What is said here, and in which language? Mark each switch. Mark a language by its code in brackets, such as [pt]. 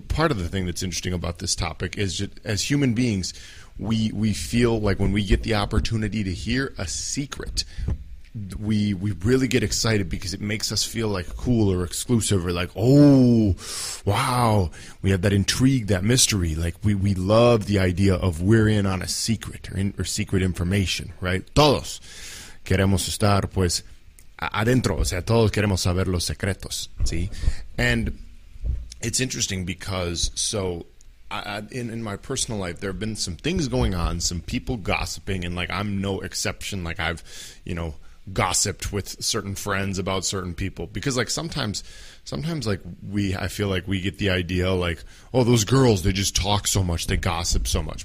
[en] Part of the thing that's interesting about this topic is just, as human beings, we feel like when we get the opportunity to hear a secret, we really get excited, because it makes us feel like cool or exclusive, or like, oh wow, we have that intrigue, that mystery. Like we love the idea of we're in on a secret or secret information, right? [es] Todos queremos estar pues adentro, o sea, todos queremos saber los secretos, ¿sí? [en] And it's interesting because in my personal life, there have been some things going on, some people gossiping, and like I'm no exception. Like I've, you know, gossiped with certain friends about certain people, because like sometimes like I feel like we get the idea like, oh, those girls, they just talk so much, they gossip so much.